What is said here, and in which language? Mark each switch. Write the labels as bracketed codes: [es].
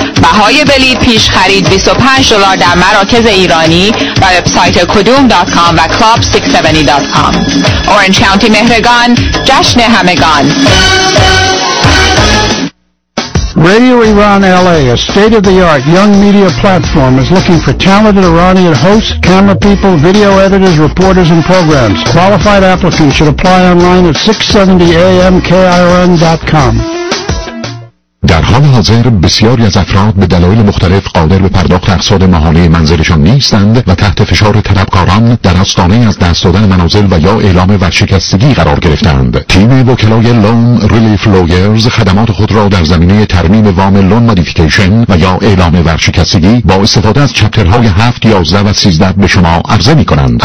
[fa] بهای بلیط پیش خرید $25 در مراکز ایرانی و وبسایت kodum.com و club670.com. اورنج کانتی مهرگان، جشن همگان. [en] Radio Iran LA, a state-of-the-art young media platform, is looking for talented Iranian hosts, camera people, video editors, reporters, and programs. Qualified applicants should apply online at 670amkirn.com. [fa] در حال حاضر بسیاری از افراد به دلایل مختلف قادر به پرداخت اقساط ماهانه منزلشان نیستند و تحت فشار طلبکاران در آستانه از دست دادن منازل و یا اعلام ورشکستگی قرار گرفتند. تیم وکلای لون ریلیف لویرز خدمات خود را در زمینه ترمیم وام لون مودیفیکیشن و یا اعلام ورشکستگی با استفاده از چپترهای 7، 11 و 13 به شما عرضه می کنند.